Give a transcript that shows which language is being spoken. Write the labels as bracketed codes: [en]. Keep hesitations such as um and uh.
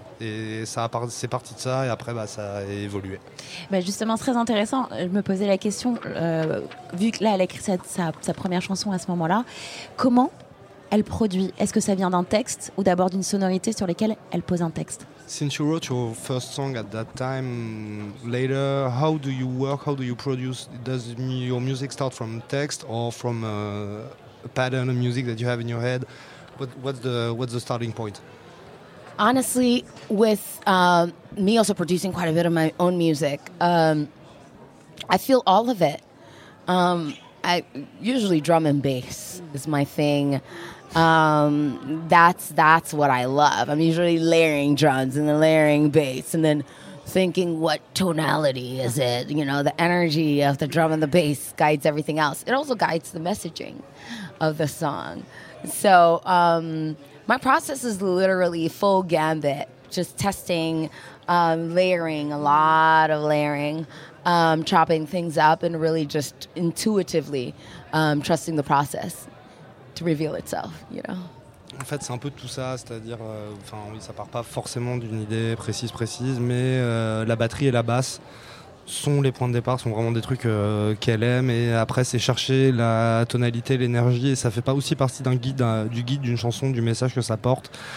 [fr] euh, et ça a par- c'est parti de ça, et après, bah, ça a évolué. Bah justement, très intéressant. Je me posais la question, euh, vu que là, elle a écrit sa, sa- sa première chanson à ce moment-là, comment elle produit Est-ce que ça vient d'un texte ou d'abord d'une sonorité sur lesquelles elle pose un texte [en] Since you wrote your first song at that time, later, how do you work? How do you produce? Does mu- your music start from text or from uh, a pattern of music that you have in your head? What, what's the what's the starting point? honestly, with um, me also producing quite a bit of my own music, um, I feel all of it. Um, I usually drum and bass is my thing. Um, that's that's what I love. I'm usually layering drums and then layering bass and then thinking what tonality is it? You know, the energy of the drum and the bass guides everything else. It also guides the messaging of the song. So um, my process is literally full gambit, just testing, um, layering, a lot of layering, um, chopping things up, and really just intuitively um, trusting the process to reveal itself. You know. [fr] En fait, c'est un peu tout ça, c'est-à-dire, euh, enfin, oui, ça part pas forcément d'une idée précise, précise, mais euh, la batterie et la basse sont les points de départ, sont vraiment des trucs euh, qu'elle aime, et après, c'est chercher la tonalité, l'énergie, et ça fait pas aussi partie d'un guide, d'un- du guide, d'une chanson, du message que ça porte,